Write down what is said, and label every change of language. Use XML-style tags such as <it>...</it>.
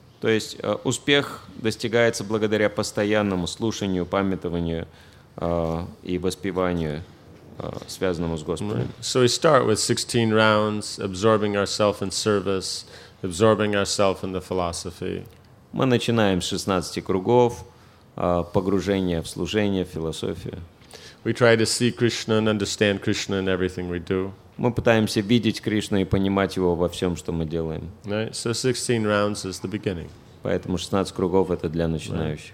<ru>То есть успех достигается благодаря постоянному слушанию, памятованию и воспеванию, связанному с Господом.</ru> <en>Right. So we start with 16 rounds, absorbing ourselves in service, absorbing ourselves in the philosophy.</en> <ru>Мы начинаем с 16 кругов, погружение в служение, в философию.</ru> <en>We try to see Krishna and understand Krishna in everything we do.</en> <ru>Мы пытаемся видеть Кришну и понимать его во всем, что мы делаем.</ru> <en>Right. So 16 rounds is the beginning.</en> <ru>Поэтому 16 кругов — это для начинающих.</ru>